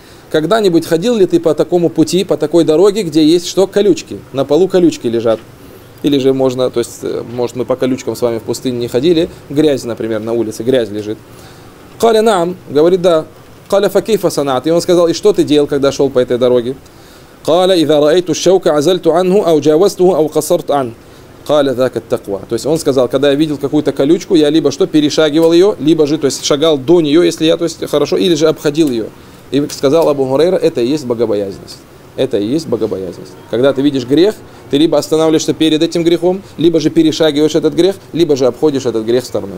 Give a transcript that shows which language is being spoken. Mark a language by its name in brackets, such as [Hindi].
[Russian] Когда-нибудь ходил ли ты по такому пути, по такой дороге, где есть что? Колючки. На полу колючки лежат. Или же можно, то есть, может, мы по колючкам с вами в пустыне не ходили, грязь, например, на улице, грязь лежит. «Каля нам», говорит, «да». [Arabic] «Каля факейфа санат». [Russian] И он сказал, «И что ты делал, когда шел по этой дороге?» [Arabic] قَالَ إِذَا رَأَيْتُ الشَّوْكَ عَزَلْتُ عَنْهُ أَوْ جَاوَزْتُهُ أَوْ قَصَرْتُ عَنْهُ قَالَ ذَاكَ التَّقْوَى. [Russian] То есть он сказал, когда я видел какую-то колючку, я либо что, перешагивал ее, либо же, то есть шагал до нее, если я, то есть хорошо, или же обходил ее. И сказал Абу Хурейра, это и есть богобоязненность. Это и есть богобоязненность. Когда ты видишь грех, ты либо останавливаешься перед этим грехом, либо же перешагиваешь этот грех, либо же обходишь этот грех стороной.